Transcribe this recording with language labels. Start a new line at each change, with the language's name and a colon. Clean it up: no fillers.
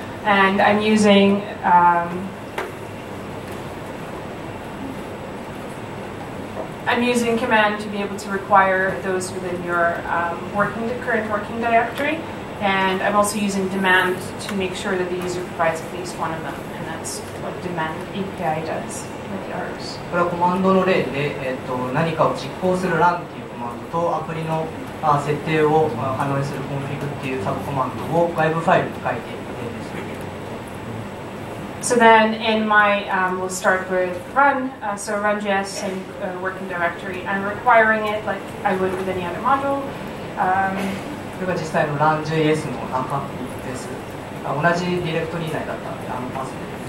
English: And I'm using command to be able to require those within your current working directory. And I'm also using demand to make sure that the user provides at least one of them. And that's what demand API does.
Japanese: これはコマンドの例で、何かを実行する run っていうコマンドとアプリの設定を可能にする config っていうサブコマンドを外部ファイルに書いている例です。
English: So then in my, we'll start with run, so run.js in working directory and requiring it like I would with any other module.
Japanese: これが実際の run.js の中です。同じディレクトリー内だったので、パスで。